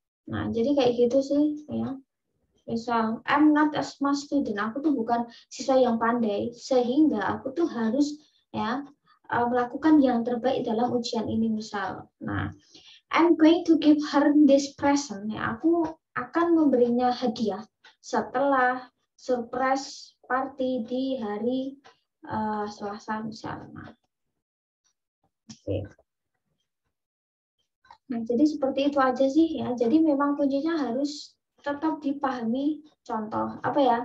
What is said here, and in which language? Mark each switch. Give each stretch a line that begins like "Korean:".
Indonesian: Nah, jadi kayak gitu sih, ya. Misal,
English: I'm not a smart student.
Indonesian: Aku tuh bukan siswa yang pandai, sehingga aku tuh harus ya melakukan yang terbaik dalam ujian ini, misal.
English: Nah, I'm going to give her this present.
Indonesian: Ya, aku akan memberinya hadiah setelah surprise party di hari Selasa, misalnya. Okay. Nah, jadi seperti itu aja sih ya. Jadi memang kuncinya harus tetap dipahami. Contoh apa ya?